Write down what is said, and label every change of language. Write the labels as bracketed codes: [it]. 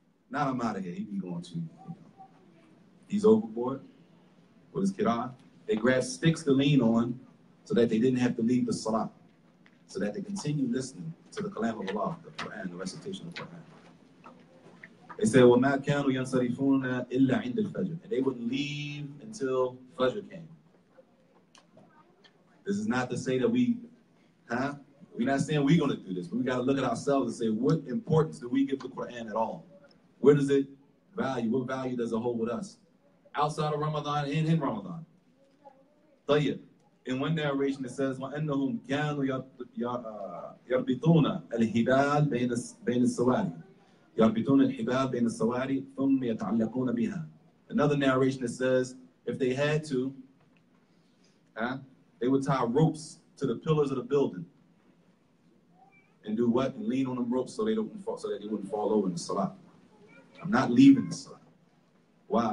[en] Now I'm out of here. He'd be going too long. He's overboard. What is kid on? They grabbed sticks to lean on so that they didn't have to leave the salah, so that they continue listening to the kalam of Allah, the Quran, the recitation of the Quran. They said, [ar] وَمَا كَانُوا يَنْصَرِفُونَ إِلَّا عِنْدِ الْفَجْرِ. [en] And they wouldn't leave until Fajr came. This is not to say that we're not saying we're going to do this, but we got to look at ourselves and say, what importance do we give the Quran at all? Where does it value? What value does it hold with us? Outside of Ramadan and in Ramadan. Tayyib. In one narration it says, [ar] وَأَنَّهُمْ كَانُوا يَرْبِطُونَ الْحِبَالِ بَيْنَ السَّوَارِ يَرْبِطُونَ الْحِبَالِ بَيْنَ السَّوَارِ ثُمْ يَتَعْلَقُونَ بِهَا. [en] Another narration it says, if they had to, they would tie ropes to the pillars of the building. And do what? And lean on them ropes so that they wouldn't fall over in the salah. I'm not leaving the salah. Why?